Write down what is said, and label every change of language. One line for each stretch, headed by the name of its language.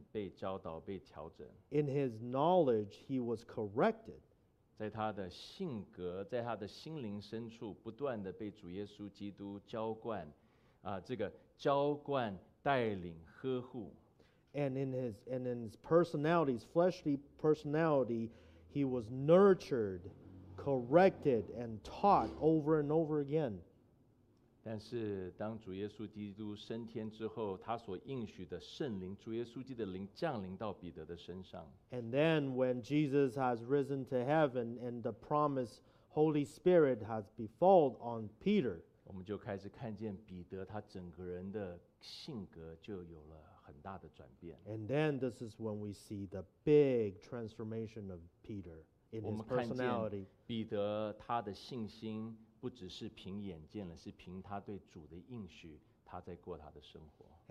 Chinese: 知识上面被这个认知上面被教导被调整。
English: In his knowledge, he was corrected.
Chinese: 在他的性格，在他的心灵深处，不断的被主耶稣基督浇灌，这个浇灌、带领、呵护。
English: And in his personality, his fleshly personality, he was nurtured, corrected, and taught over and over again.
Chinese: 但是当主耶稣基督升天之后，他所应许的圣灵，主耶稣基督的灵降临到彼得的身上。
English: And then when Jesus has risen to heaven and the promised Holy Spirit has befallen on Peter,
Chinese: 我们就开始看见彼得他整个人的性格就有了很大的转变。
English: And then this is when we see the big transformation of Peter in his personality.
Chinese: 我们看见彼得他的信心不只是凭眼见了，是凭他对主的应许，他在过他的生活。